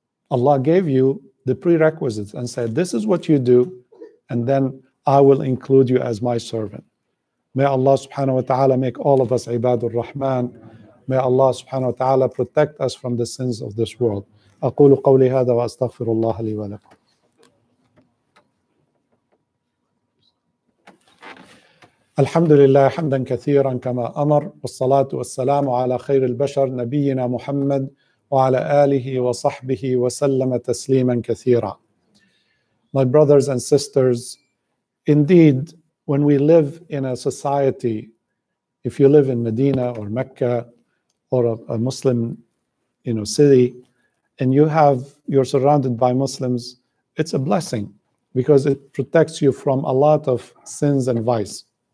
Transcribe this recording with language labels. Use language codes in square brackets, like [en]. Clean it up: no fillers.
[en] Allah gave you the prerequisites and said, this is what you do, and then I will include you as my servant. May Allah subhanahu wa ta'ala make all of us Ibad al-Rahman. May Allah subhanahu wa ta'ala protect us from the sins of this world. [ar] أقول قولي هذا وأستغفر الله لي ولكم. الحمد لله حمدا كثيرا كما أمر والصلاة والسلام على خير البشر نبينا محمد وعلى آله وصحبه وسلم تسليما كثيرا. [en] My brothers and sisters, indeed, when we live in a society, if you live in Medina or Mecca or a Muslim, you know, city, and you have, you're surrounded by Muslims, it's a blessing because it protects you from a lot of sins and vice.